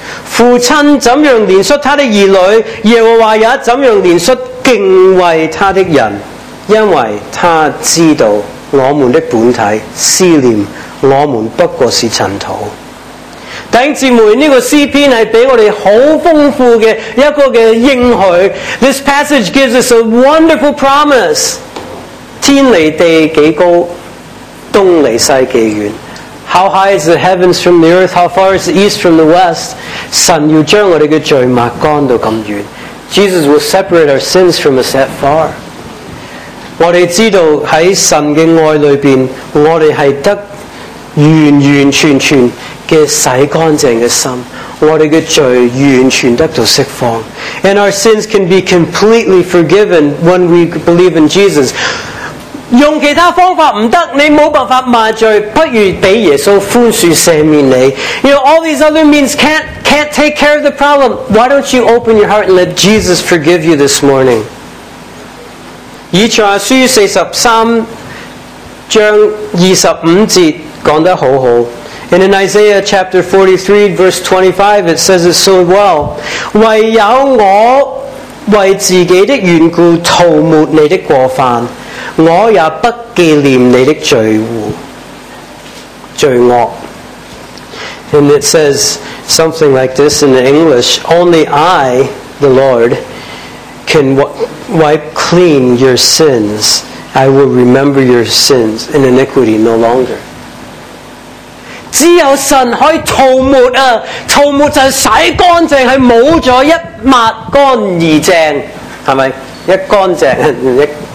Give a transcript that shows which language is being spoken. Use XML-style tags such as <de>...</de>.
<yue>父亲怎样怜恤他的儿女，耶和华也怎样怜恤敬畏他的人，因为他知道我们的本体，思念我们不过是尘土。弟兄姊妹，这个诗篇是给我们很丰富的一个的应许。</yue> <en>This passage gives us a wonderful promise.</en> <yue>天离地几高，东离西几远。</yue> <en>How high is the heavens from the earth? How far is the east from the west?</en> <yue>神要将我们的罪抹干到这么远。</yue> <en>Jesus will separate our sins from us that far.</en> <yue>我们知道在神的爱里面，我们是得完完全全的洗干净的心，我们的罪完全得到释放。</yue> <en>And our sins can be completely forgiven when we believe in Jesus.</en> <yue>用其他方法不得，你没办法麻醉，不如给耶稣宽恕赦免你。</yue> <en>You know, all these other means can't take care of the problem. Why don't you open your heart and let Jesus forgive you this morning?</en> <yue>以赛亚书43章25节讲得好好。</yue> <en>And in Isaiah chapter 43, verse 25, it says it so well.</en> <yue>唯有我为自己的缘故涂抹你的过犯，我也不纪念你的罪恶。</yue> <en>And it says something like this in English: Only I, the Lord, can wipe clean your sins. I will remember your sins and iniquity no longer.</en> <yue>只有神可以涂抹啊，涂抹就是洗干净，是抹了一抹干而净，是不是一干净一</yue>